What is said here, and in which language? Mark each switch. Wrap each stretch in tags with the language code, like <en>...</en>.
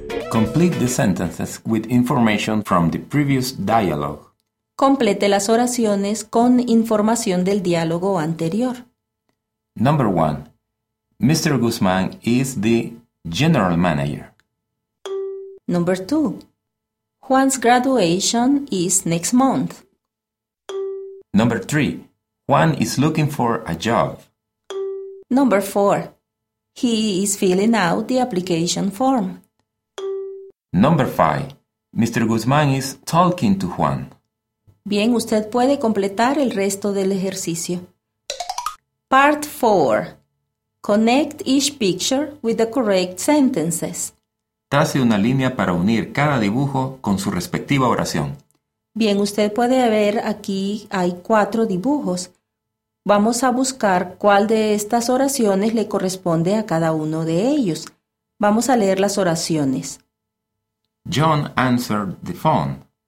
<en>Complete the sentences with information from the previous dialogue.</en> <es>Complete las oraciones con información del diálogo anterior.</es> <en>Number 1. Mr. Guzmán is the general manager. Number 2. Juan's graduation is next month. Number 3. Juan is looking for a job. Number 4. He is filling out the application form. Number 5. Mr. Guzmán is talking to Juan.</en> <es>Bien, usted puede completar el resto del ejercicio.</es> <en>Part 4. Connect each picture with the correct sentences.</en> <es>Trace una línea para unir cada dibujo con su respectiva oración. Bien, usted puede ver aquí hay 4 dibujos. Vamos a buscar cuál de estas oraciones le corresponde a cada uno de ellos. Vamos a leer las oraciones.</es> <en>John answered the phone.</en>